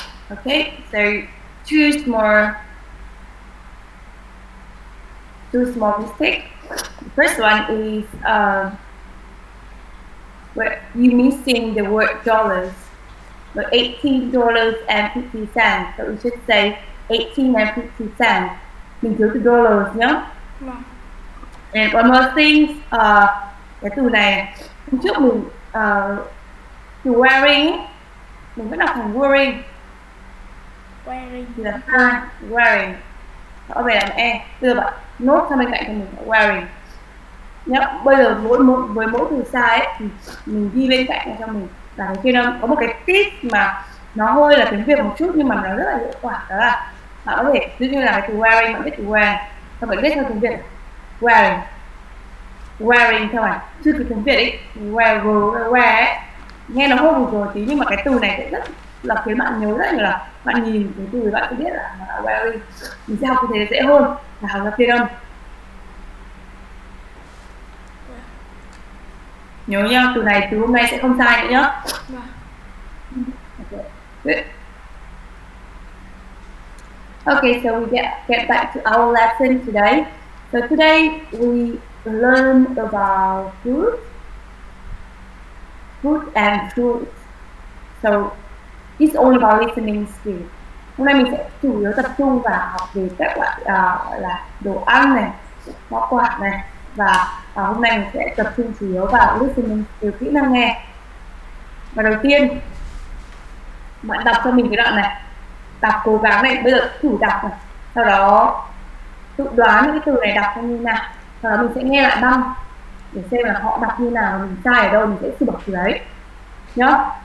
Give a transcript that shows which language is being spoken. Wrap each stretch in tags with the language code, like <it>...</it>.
<en>Okay, so two small mistakes. The first one is you're missing the word dollars, but $18.50. So we should say 18 and 50 cents.</en> <vi>Mình thiếu từ dollars nhá.</vi> <en>Yeah. And one more thing,</en> <vi>cái từ này hôm trước mình từ wearing mình vẫn đọc thành worrying.</vi> <en>Wearing.</en> <vi>Wearing. Ở đây là e. Đưa bạn nốt sang bên cạnh cho mình. Wearing. Yep. Bây giờ với mỗi từ sai ấy, thì mình ghi bên cạnh cho mình. Là cái kia nó có một cái tip mà nó hơi là tiếng Việt một chút nhưng mà nó rất là hiệu quả. Đó là bạn có thể giữ như là từ wearing, bạn biết từ wear. Bạn phải biết theo tiếng Việt. Wearing. Wearing theo bạn. Chứ từ tiếng Việt ấy, wear. Nghe nó hơi một rồi tí nhưng mà cái từ này cũng rất là khiến bạn nhớ rất là bạn nhìn cái từ bạn sẽ biết là wearing. Mình sẽ học như thế dễ hơn là học ra phiên âm. Nhớ nhá, từ này từ hôm nay sẽ không sai nữa nhá.</vi> <en>Okay, so we get back to our lesson today. So today we learn about food and fruits. So it's all about listening skills.</en> <vi>Hôm nay mình sẽ chủ yếu tập trung vào học về các loại là đồ ăn này, hoa quả này, và hôm nay mình sẽ tập trung chủ yếu vào listening skills, kỹ năng nghe. Và đầu tiên, bạn đọc cho mình cái đoạn này, đọc cố gắng này, bây giờ thử đọc này, sau đó tự đoán những cái từ này đọc như nào, sau đó mình sẽ nghe lại băng để xem là họ đọc như nào, mình sai ở đâu mình sẽ sửa từ đấy, nhớ.</vi>